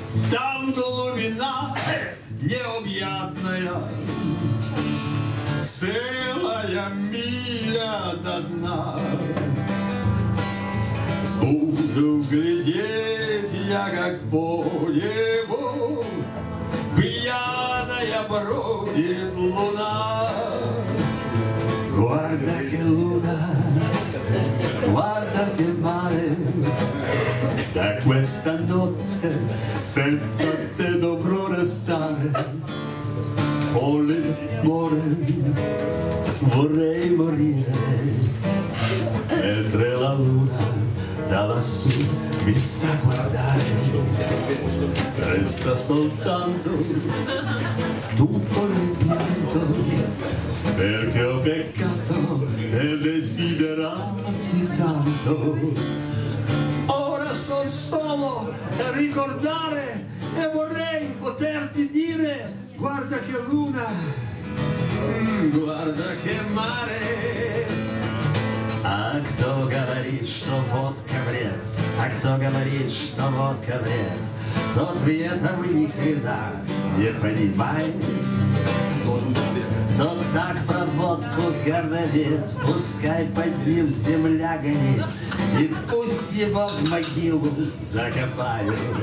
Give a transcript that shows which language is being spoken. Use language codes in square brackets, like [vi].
[ru] Там глубина необъятная, целая миля до дна. Буду глядеть я, как по небу пьяная бродит луна. [it] Guarda che luna, guarda che mare, da questa notte senza te dovrò restare. Folle d'amore, vorrei morire, mentre la luna da lassù mi sta a guardare. Resta soltanto tutto l'impianto, perché ho peccato e desiderarti tanto. Ora son solo a ricordare e vorrei poterti dire: guarda che luna, guarda che mare. [ru] А кто говорит, что водка вред? А кто говорит, что водка вред? Тот в этом ни хрена не понимает. Тот так про водку говорит, пускай под ним земля гонит, и пусть его в могилу закопают.